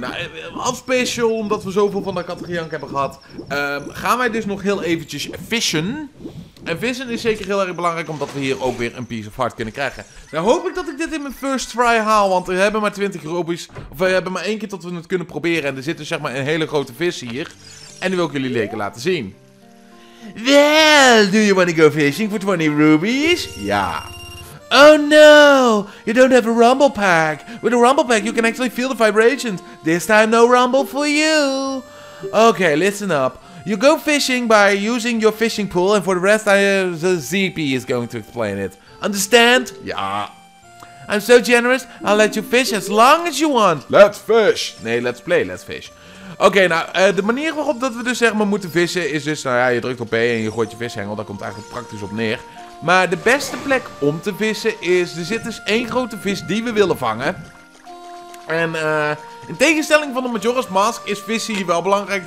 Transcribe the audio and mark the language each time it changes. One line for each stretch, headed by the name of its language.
Dutch: Nou, als special, omdat we zoveel van de Katagiank hebben gehad, gaan wij dus nog heel eventjes vissen. En vissen is zeker heel erg belangrijk, omdat we hier ook weer een piece of heart kunnen krijgen. Nou, hoop ik dat ik dit in mijn
English: first try
Dutch: haal, want we hebben maar 20 robies. Of we hebben maar één keer tot we het kunnen proberen. En er zit dus zeg maar een hele grote vis hier. En die wil ik jullie lekker laten zien.
English: Well, do you want to go fishing for 20 rubies? Yeah. Oh no, you don't have a rumble pack. With a rumble pack, you can actually feel the vibrations. This time, no rumble for you. Okay, listen up. You go fishing by using your fishing pool, and for the rest, the ZP is going to explain it. Understand? Yeah. I'm so generous, I'll let you fish as long as you want. Let's fish. Nee, let's play, let's fish.
Dutch: Oké, nou, de manier waarop dat we dus zeg maar moeten vissen is dus, nou ja, je drukt op B en je gooit je vishengel. Daar komt het eigenlijk praktisch op neer. Maar de beste plek om te vissen is, er zit dus één grote vis die we willen vangen. En in tegenstelling van de Majora's Mask is vissen hier wel belangrijk.